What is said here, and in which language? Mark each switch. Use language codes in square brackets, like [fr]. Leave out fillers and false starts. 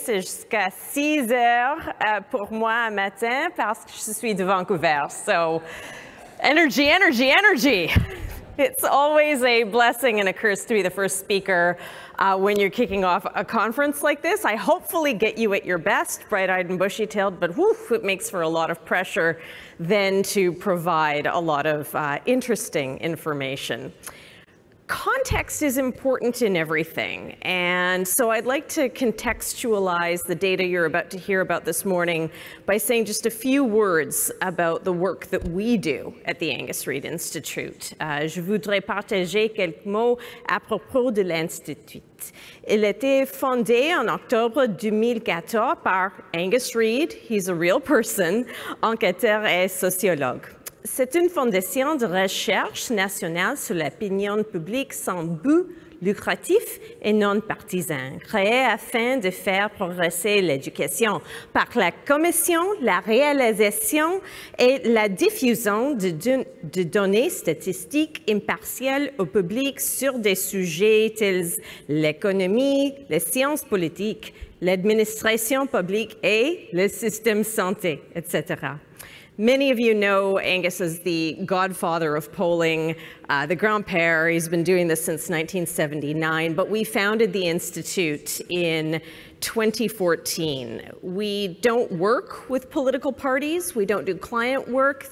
[fr] C'est jusqu'à 6 heures pour moi un matin parce que je suis de Vancouver. [en] So energy, energy, energy. It's always a blessing and a curse to be the first speaker when you're kicking off a conference like this. I hopefully get you at your best, bright-eyed and bushy-tailed, but woof, it makes for a lot of pressure then to provide a lot of interesting information. Context is important in everything, and so I'd like to contextualize the data you're about to hear about this morning by saying just a few words about the work that we do at the Angus Reid Institute. [fr] Je voudrais partager quelques mots à propos de l'Institut. Il était fondé en octobre 2014 par Angus Reid, [en] he's a real person, [fr] enquêteur et sociologue. C'est une fondation de recherche nationale sur l'opinion publique sans but lucratif et non partisan, créée afin de faire progresser l'éducation par la commission, la réalisation et la diffusion de données statistiques impartiales au public sur des sujets tels l'économie, les sciences politiques, l'administration publique et le système santé, etc. [en] Many of you know Angus as the godfather of polling, the grandpère. He's been doing this since 1979, but we founded the Institute in 2014. We don't work with political parties. We don't do client work.